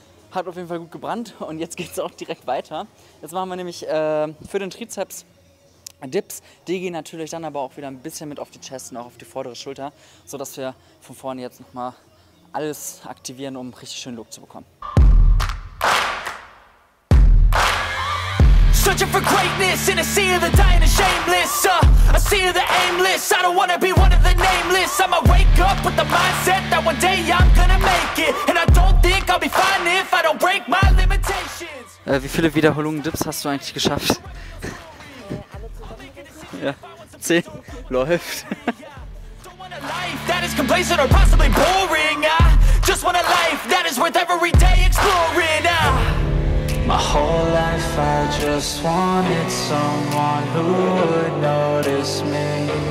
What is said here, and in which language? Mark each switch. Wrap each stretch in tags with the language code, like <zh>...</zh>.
<de>Hat auf jeden Fall gut gebrannt und jetzt geht es auch direkt weiter. Jetzt machen wir nämlich für den Trizeps Dips, die gehen natürlich dann aber auch wieder ein bisschen mit auf die Chest und auch auf die vordere Schulter, sodass wir von vorne jetzt nochmal alles aktivieren, um einen richtig schönen Look zu bekommen.</de> <en>Searching for greatness in a sea of the dying and shameless, a sea of the aimless. I don't wanna be one of the nameless. I'ma wake up with the mindset that one day I'm gonna make it. And I don't think I'll be fine if I don't break my limitations.</en> <de>Wie viele Wiederholungen Dips hast du eigentlich geschafft? Ja, 10. Läuft.</de> <en>Don't want a life that is complacent or possibly boring. Just want a life that is worth every day exploring. My whole life I just wanted someone who would notice me.</en>